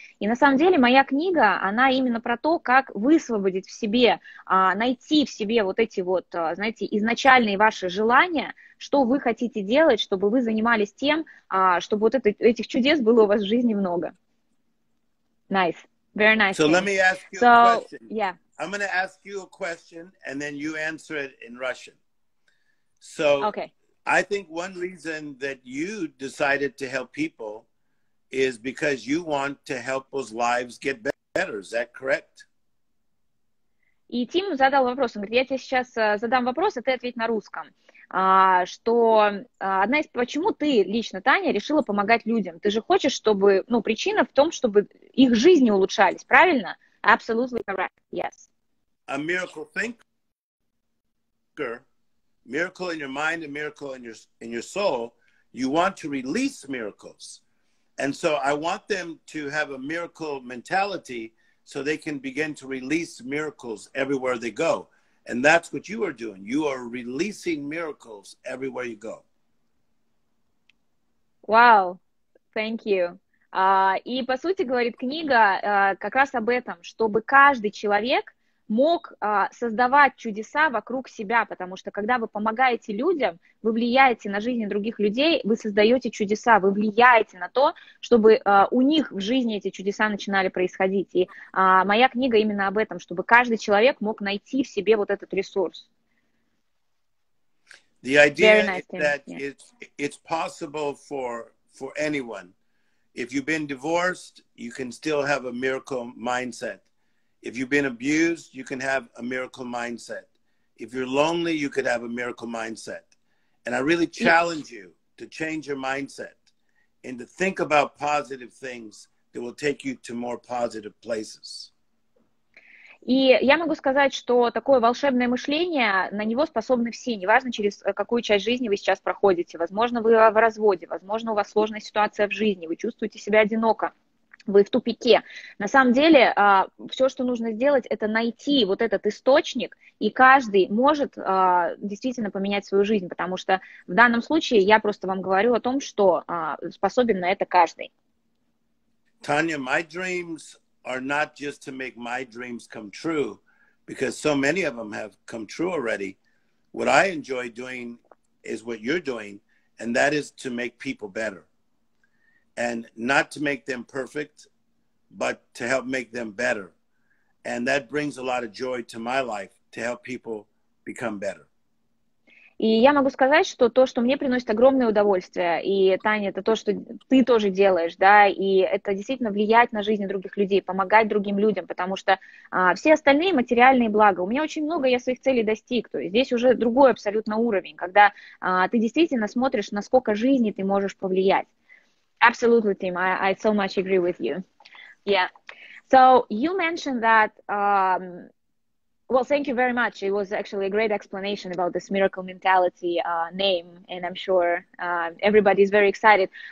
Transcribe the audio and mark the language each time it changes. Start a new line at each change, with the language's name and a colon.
Russian: И на самом деле моя книга, она именно про то, как высвободить в себе, найти в себе вот эти вот, знаете, изначальные ваши желания, что вы хотите делать, чтобы вы занимались тем, чтобы вот это, этих чудес было у вас в жизни много.
English: Nice. Very nice. So let me ask you so, a question. Yeah. I'm going to ask you a question, and then you answer it in Russian. So okay. I think one reason that you decided to help people is because you want to help those lives get better. Is that correct?
Russian: И Тим задал вопрос. Он говорит, я тебе сейчас задам вопрос, а ты ответь на русском. Что одна из... Почему ты лично, Таня, решила помогать людям? Ты же хочешь, чтобы... Ну, причина в том, чтобы их жизни улучшались, правильно?
English: Absolutely correct, yes. A miracle thinker, miracle in your mind, a miracle in your soul, you want to release miracles. And so I want them to have a miracle mentality so they can begin to release miracles everywhere they go. And that's what you are doing. You are releasing miracles everywhere you go. Wow, thank you.
Russian: И по сути, говорит книга, как раз об этом, чтобы каждый человек мог создавать чудеса вокруг себя, потому что когда вы помогаете людям, вы влияете на жизнь других людей, вы создаете чудеса, вы влияете на то, чтобы у них в жизни эти чудеса начинали происходить. И моя книга именно об этом, чтобы каждый человек мог найти в себе вот этот ресурс.
English: The idea is that it's possible for anyone. If you've been divorced, you can still have a miracle mindset. If you've been abused, you can have a miracle mindset. If you're lonely, you could have a miracle mindset. And I really challenge you to change your mindset and to think about positive things that will take you to more positive places.
Russian: И я могу сказать, что такое волшебное мышление, на него способны все, неважно, через какую часть жизни вы сейчас проходите. Возможно, вы в разводе, возможно, у вас сложная ситуация в жизни, вы чувствуете себя одиноко, вы в тупике. На самом деле, все, что нужно сделать, это найти вот этот источник, и каждый может действительно поменять свою жизнь, потому что в данном случае я просто вам говорю о том, что способен на это каждый.
English: Tanya, my dreams are not just to make my dreams come true, because so many of them have come true already. What I enjoy doing is what you're doing, and that is to make people better. And not to make them perfect, but to help make them better. And that brings a lot of joy to my life, to help people become better.
Russian: И я могу сказать, что то, что мне приносит огромное удовольствие, и, Таня, это то, что ты тоже делаешь, да, и это действительно влиять на жизнь других людей, помогать другим людям, потому что все остальные материальные блага, у меня очень много, я своих целей достиг, то есть здесь уже другой абсолютно уровень, когда ты действительно смотришь, на сколько жизни ты можешь повлиять.
English: Absolutely, Tim, I so much agree with you. Yeah. So, you mentioned that... Well, thank you very much. It was actually a great explanation about this miracle mentality name, and I'm sure everybody is very excited.